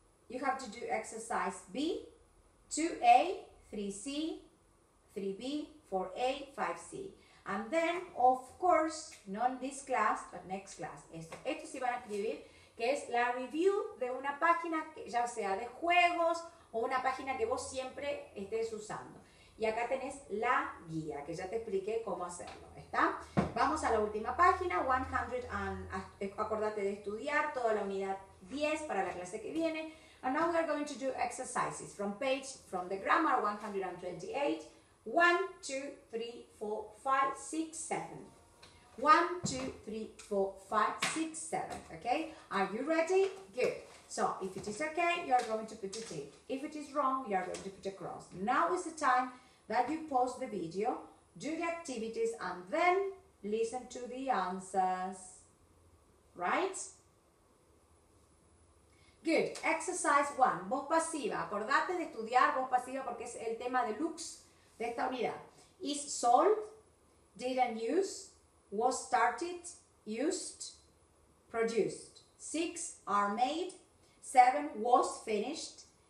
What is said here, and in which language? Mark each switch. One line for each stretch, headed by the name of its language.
English: You have to do exercise B, 2A, 3C, 3B, 4A, 5C. And then, of course, not this class, but next class.
Spanish: Esto sí van a escribir, que es la review de una página, ya sea de juegos o una página que vos siempre estés usando. Y acá tenés la guía, que ya te expliqué cómo hacerlo, ¿está? Vamos a la última página, 100, and acordate de estudiar toda la unidad 10 para la clase que viene.
English: And now we are going to do exercises from the grammar 128. 1, 2, 3, 4, 5, 6, 7. 1, 2, 3, 4, 5, 6, 7. Okay, are you ready? Good. So if it is okay, you are going to put a tick. If it is wrong, you are going to put a cross. Now is the time that you pause the video, do the activities, and then listen to the answers. Right? Good. Exercise one.
Spanish: Voz pasiva. Acordate de estudiar voz pasiva porque es el tema de lux de esta unidad.
English: Is sold, didn't use, was started, used, produced. Six are made. Seven was finished.